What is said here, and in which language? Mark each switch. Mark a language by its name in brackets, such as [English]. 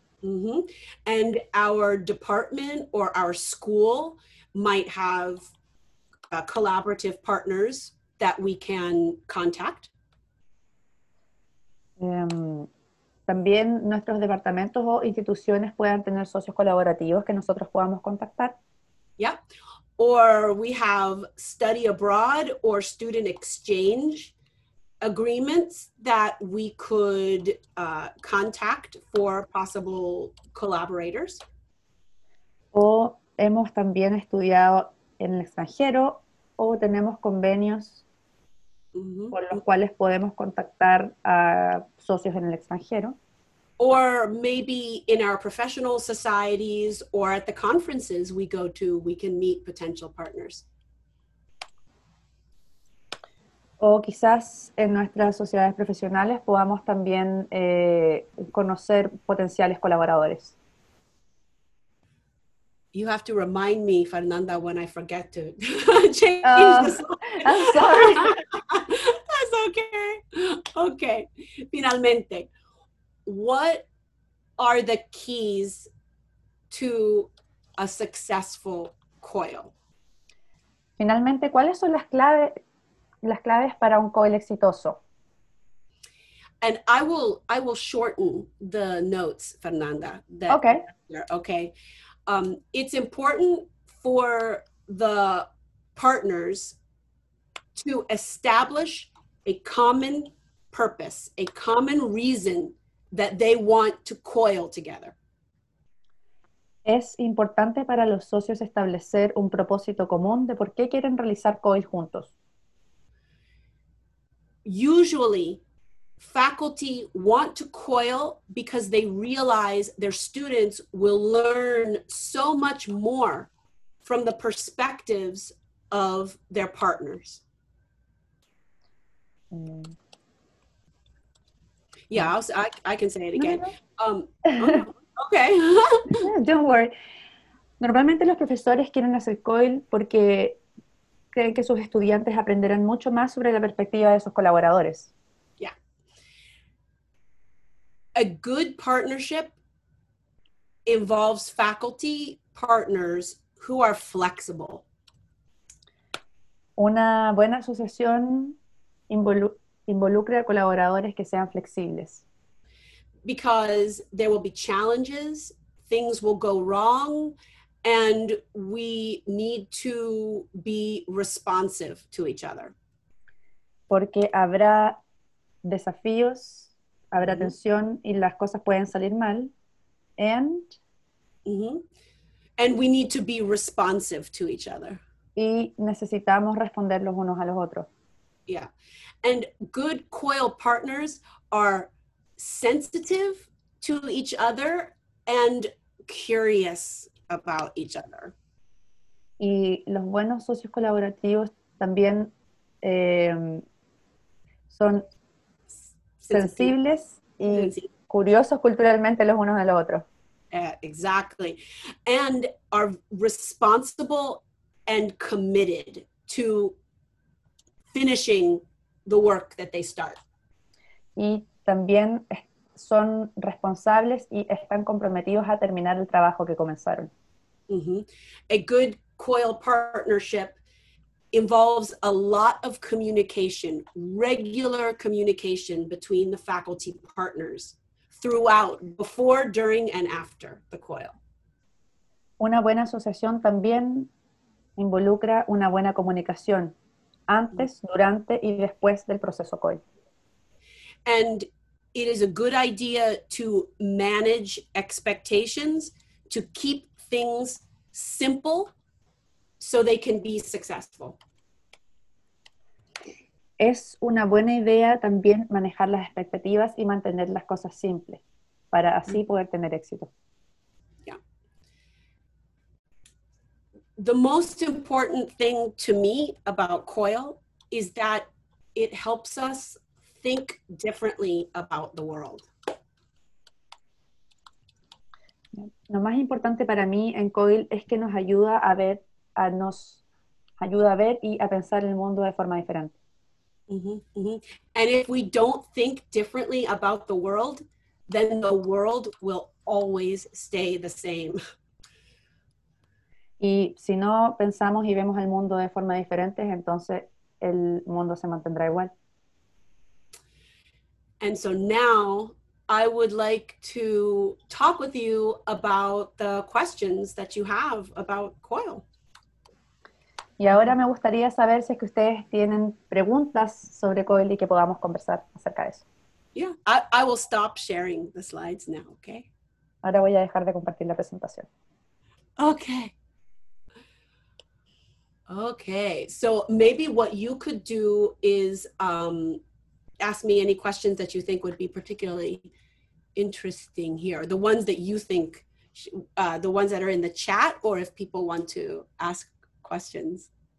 [English] Mm-hmm. And our department or our school might have collaborative partners that we can contact. [Spanish] También nuestros departamentos o instituciones puedan tener socios colaborativos que nosotros podamos contactar. Yep. [English] Or we have study abroad or student exchange agreements that we could contact for possible collaborators. [Spanish] O hemos también estudiado en el extranjero o tenemos convenios mm-hmm. por los cuales podemos contactar a socios en el extranjero. [English] Or maybe in our professional societies or at the conferences we go to, we can meet potential partners. [Spanish] O quizás en nuestras sociedades profesionales podamos también conocer potenciales colaboradores. [English] You have to remind me, Fernanda, when I forget to change the song. I'm sorry. That's okay. Okay. Finalmente, what are the keys to a successful COIL? [Spanish] Finalmente, ¿cuáles son las claves para un COIL exitoso? [English] And I will shorten the notes, Fernanda. Okay. It's important for the partners to establish a common purpose, a common reason that they want to COIL together. [Spanish] Es importante para los socios establecer un propósito común de por qué quieren realizar COIL juntos. [English] Usually, faculty want to COIL because they realize their students will learn so much more from the perspectives of their partners. Mm. Yeah, I can say it again. Okay. Don't worry. [Spanish] Normalmente los profesores quieren hacer COIL porque creen que sus estudiantes aprenderán mucho más sobre la perspectiva de sus colaboradores. [English] A good partnership involves faculty partners who are flexible. [Spanish] Una buena asociación involucra colaboradores que sean flexibles. [English] Because there will be challenges, things will go wrong, And we need to be responsive to each other. [Spanish] Porque habrá desafíos, habrá mm-hmm. tensión y las cosas pueden salir mal. And? Mm-hmm. [English] And we need to be responsive to each other. [Spanish] Y necesitamos responder los unos a los otros. Yeah. [English] And good COIL partners are sensitive to each other and curious about each other. [Spanish] Y los buenos socios colaborativos también son sensibles y curiosos culturalmente los unos de los otros. [English] Exactly. And are responsible and committed to finishing the work that they start. [Spanish] Y también son responsables y están comprometidos a terminar el trabajo que comenzaron. Mm-hmm. [English] A good COIL partnership involves a lot of communication, regular communication between the faculty partners throughout, before, during, and after the COIL. [Spanish] Una buena asociación también involucra una buena comunicación antes, mm-hmm. durante y después del proceso COIL. [English] And it is a good idea to manage expectations, to keep things simple so they can be successful. [Spanish] Es una buena idea también manejar las expectativas y mantener las cosas simples para así poder tener éxito. Yeah. [English] The most important thing to me about COIL is that it helps us think differently about the world. [Spanish] Lo más importante para mí en COIL es que nos ayuda a ver y a pensar el mundo de forma diferente. Mm-hmm, mm-hmm. [English] And if we don't think differently about the world, then the world will always stay the same. [Spanish] Y si no pensamos y vemos el mundo de forma diferente, entonces el mundo se mantendrá igual. [English] And so now I would like to talk with you about the questions that you have about COIL. [Spanish] Y ahora me gustaría saber si es que ustedes tienen preguntas sobre COIL y que podamos conversar acerca de eso. [English] Yeah, I will stop sharing the slides now, okay? [Spanish] Ahora voy a dejar de compartir la presentación. [English] Okay. Okay, so maybe what you could do is ask me any questions that you think would be particularly interesting here, the ones that you think, the ones that are in the chat, or if people want to ask questions.